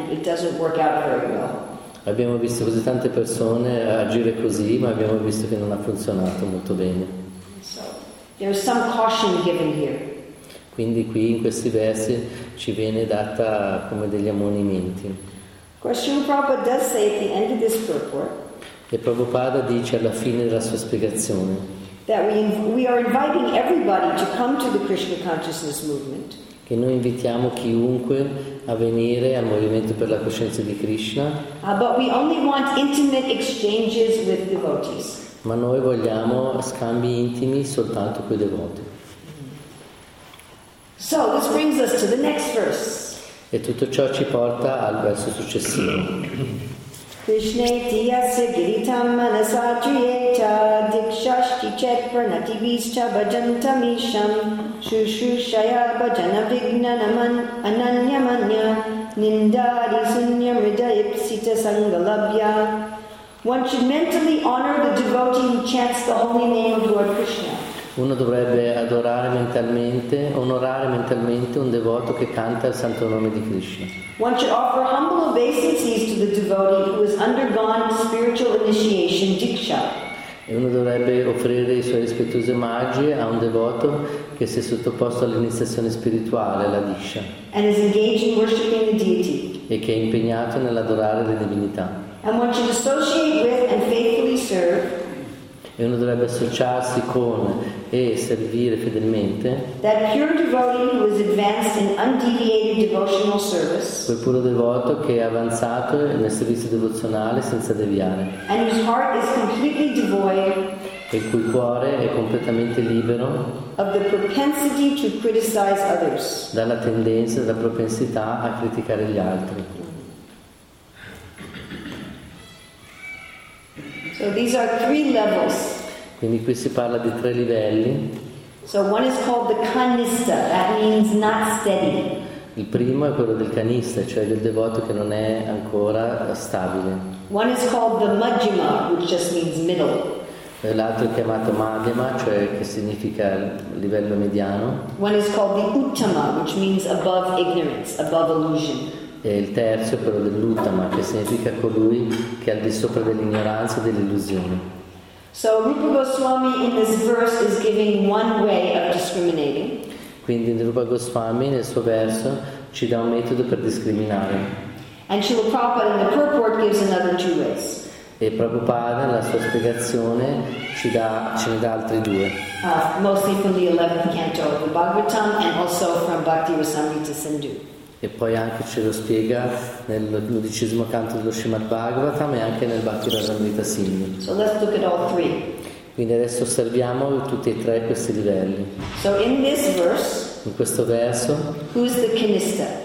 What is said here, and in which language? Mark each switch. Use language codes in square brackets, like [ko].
[it] Abbiamo visto così tante persone agire così, ma abbiamo visto che non ha funzionato molto bene. [en] So, there's some caution given here. [it] Quindi qui in questi versi ci viene data come degli ammonimenti. [en] Srila Prabhupada does say at the end of this purport. [it] E Prabhupada dice alla fine della sua spiegazione. [en] That we are inviting everybody to come to the Krishna consciousness movement. [it] Che noi invitiamo chiunque a venire al movimento per la coscienza di Krishna. [en] But we only want intimate exchanges with devotees. [it] Ma noi vogliamo scambi intimi soltanto con i devoti. [en] So this brings us to the next verse. [it] E tutto ciò ci porta al verso successivo. [sa] Krishna tiya se giritam manasa triyeta dikshashti chet pranati vischa bhajantam isham shushushaya bhajana vignanaman ananyamanya nindari sunya mrida ipsita sangalabhya. [en] One should mentally honor the devotee who chants the holy name of Lord Krishna. [it] Uno dovrebbe adorare mentalmente, onorare mentalmente un devoto che canta il santo nome di Krishna. [en] One should offer humble obeisances to the devotee who has undergone spiritual initiation diksha. [it] E uno dovrebbe offrire i suoi rispettosi omaggi a un devoto che si è sottoposto all'iniziazione spirituale, la diksha, [en] and is engaged in worshiping the deity. [it] E che è impegnato nell'adorare le divinità. [en] And one should associate with and faithfully serve. [it] E uno dovrebbe associarsi con e servire fedelmente [en] that pure devotee who is advanced in undeviated devotional service, [it] quel puro devoto che è avanzato nel servizio devozionale senza deviare, [en] and whose heart is completely devoid, [it] e il cui cuore è completamente libero [en] of the propensity to criticize others, [it] dalla tendenza, dalla propensità a criticare gli altri. [en] So these are three levels. [it] Quindi qui si parla di tre livelli. [en] So one is called the kanista, that means not steady. [it] Il primo è quello del kanista, cioè del devoto che non è ancora stabile. [en] One is called the majjhima, which just means middle. [it] E l'altro è chiamato madhyama, cioè che significa livello mediano. [en] One is called the uttama, which means above ignorance, above illusion. [it] E il terzo è quello dell'uttama, che significa colui che è al di sopra dell'ignoranza e dell'illusione. [en] So Rupa Goswami in this verse is giving one way of discriminating. [it] Quindi Rupa Goswami nel suo verso ci dà un metodo per discriminare. [en] And Srila Prabhupada in the purport gives another two ways. [it] E Prabhupada nella sua spiegazione ce ne dà altri due. [en] Mostly from the 11th canto of the Bhagavatam and also from Bhakti Rasamrita Sindhu. [it] E poi anche ce lo spiega nel 12° canto dello Srimad Bhagavatam e anche nel Bhakti Rasamrita Sindhu. [en] So let's look at all three. [it] Quindi adesso osserviamo tutti e tre questi livelli. [en] So in this verse, [it] in questo verso, [en] who's the kanista?